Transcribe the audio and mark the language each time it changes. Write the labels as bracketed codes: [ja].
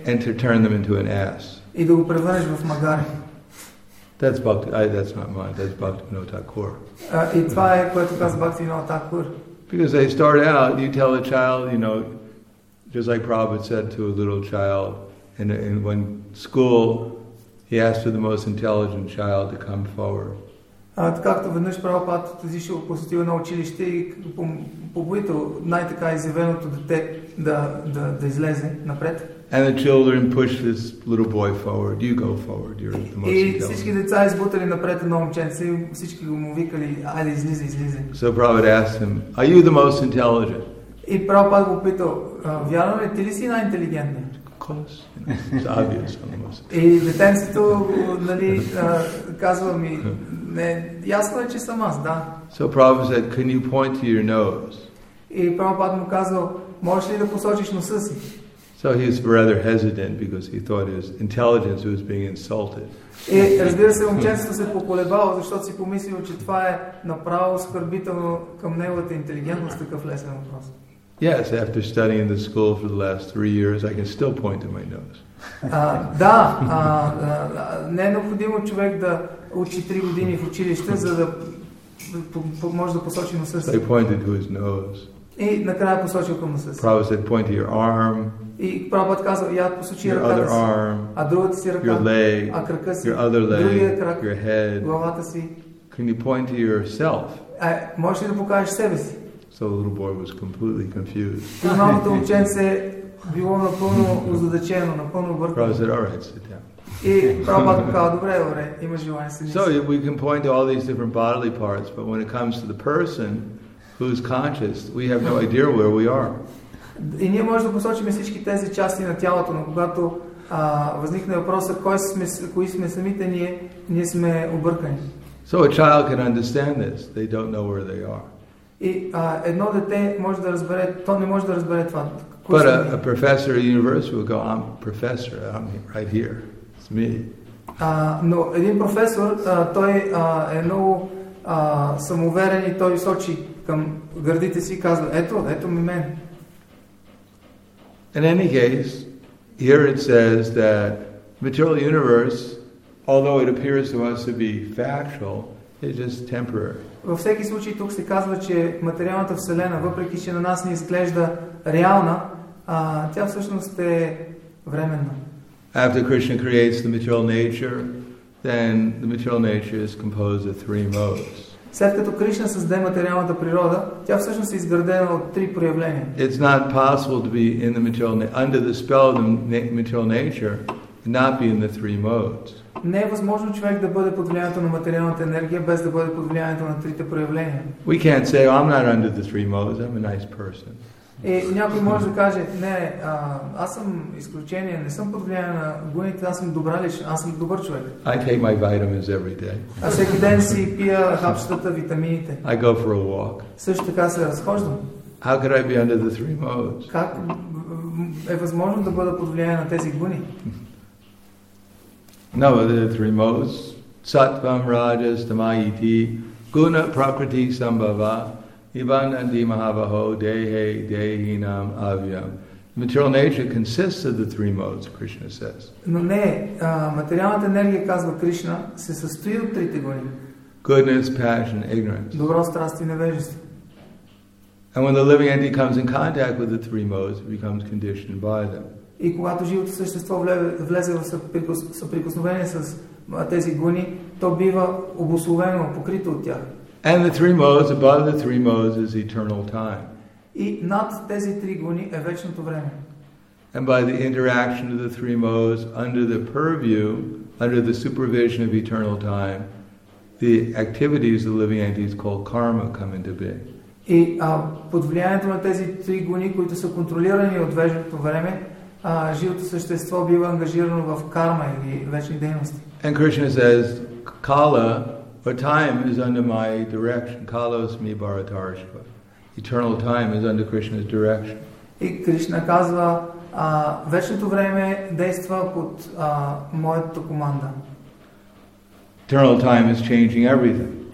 [en] And to turn them into an ass. [bg] И да го превърнеш в магаре. [en] That's Bhaktivinoda Thakur. [bg] И това е което каза Бхактивинода Такур. [en] Because they start out, you tell a child, you know, just like Prabhupada said to a little child in one school, he asked for the most intelligent child to come forward. [bg] Както веднъж Прабхупад отишъл, посетил на училище и побудил най-така изявеното дете да излезе напред. [en] And the children push this little boy forward. You go forward. You're the most intelligent. [bg] И всички деца избутали напред на момченце, всички го викали, айде излизай, излизай. [en] So Prabhupada asked him, "Are you the most intelligent?" [bg] И Прабхупад го питал, вярно ли ти ли си най-интелигентен? [en] Close. It's obvious. [bg] И детенцето, нали, казва ми, не, ясно е, че съм аз, да. [en] So Prabhupada said, "Can you point to your nose?" [bg] И Прабхупад му казал, можеш ли да посочиш носа си? [en] So he was rather hesitant because he thought his intelligence was being insulted. [bg] И разбира се, момченцето се поколебало, защото си помислило, че това е направо оскърбително към неговата интелигентност, такъв лесен въпрос. [en] Yes, after studying in the school for the last 3 years, I can still point to my nose. [bg] Да, не е необходимо човек да учи 3 години в училище, за да може да посочи носа си. [en] So he pointed to his nose. [bg] И накрая посочил към носа си. [en] Prabhupada said, point to your arm. [bg] И Прабхупад казва, я посочи ръката, [en] other arm, [bg] а другата си ръка, [en] your leg, [bg] а крака си, [en] your other leg, [bg] другия крак, [en] your head, [bg] главата си. [en] Can you point to yourself? [bg] Можеш ли да покажеш себе си? [en] So the little boy was completely confused. [bg] И малкото момченце било напълно озадачено, напълно объркано. [en] Prabhupada said, all right, sit down. [bg] И Прабхупад казва, добре, добре, има желание, седни си. [en] So we can point to all these different bodily parts, but when it comes to the person who is conscious, we have no idea where we are. [bg] И ние можем да посочим всички тези части на тялото, но когато възникне въпроса кои сме самите ние, ние сме объркани. [en] So a child can understand this. They don't know where they are. [bg] И едно дете може да разбере, то не може да разбере това. [en] But a professor at university will go, "I'm a professor. I'm right here. It's me." [bg] Но един професор, той е много самоуверен и той сочи към гърдите си и казва, "Ето, ето ми мен." [en] In any case, here it says that material universe, although it appears to us to be factual, is just temporary. [bg] Във всеки случай тук се казва, че материалната вселена, въпреки че на нас не изглежда реална, тя всъщност е временна. [en] After Krishna creates the material nature, then the material nature is composed of three modes. [bg] След като Кришна създаде материалната природа, тя всъщност е изградена от три проявления. [en] It's not possible to be in the material under the spell of the material nature and not be in the three modes. [bg] Не е възможно човек да бъде под влиянието на материалната енергия без да бъде под влиянието на трите проявления. [en] We can't say, "Oh, I'm not under the three modes. I'm a nice person." [bg] И някой може да каже, "Не, аз съм изключение, не съм под влияние на гуните, аз съм добра лична, аз съм добър човек." [en] I take my vitamins every day. [bg] Аз всеки ден си пия хапчетата, витамините. [en] I go for a walk. [bg] Също така се разхождам. [en] How could I be under the three modes? [bg] Как е възможно да бъда под влияние на тези гуни? [en] No, the three modes. [sa] Саттвам, раджас, тамайити, гуна, пракрити, самбава. Ivanandi Mahavaho Dehe Dehinam Avyam. [en] Material nature consists of the three modes, Krishna says. [bg] Но не, материалната енергия, казва Кришна, се състои от трите гуни. [en] Goodness, passion, ignorance. [bg] Добро, страст и невежество. [en] And when the living entity comes in contact with the three modes, it becomes conditioned by them. [bg] И когато живото същество влезе в съприкосновение с тези гуни, то бива обусловено, покрито от тях. [en] And the three modes, above the three modes, is eternal time. [bg] И над тези три гуни е вечното време. [en] And by the interaction of the three modes, under the purview, under the supervision of eternal time, the activities of the living entity is called karma come into being. [bg] И под влиянието на тези три гуни, които са контролирани от вечното време, живото същество бива ангажирано в карма или вечни дейности. [en] And Krishna says, "Kala, but time is under my direction. [sa] Kalos mi bharatarshva. [en] Eternal time is under Krishna's direction." [bg] И Кришна казва, вечното време действа под моята команда. [en] Eternal time is changing everything.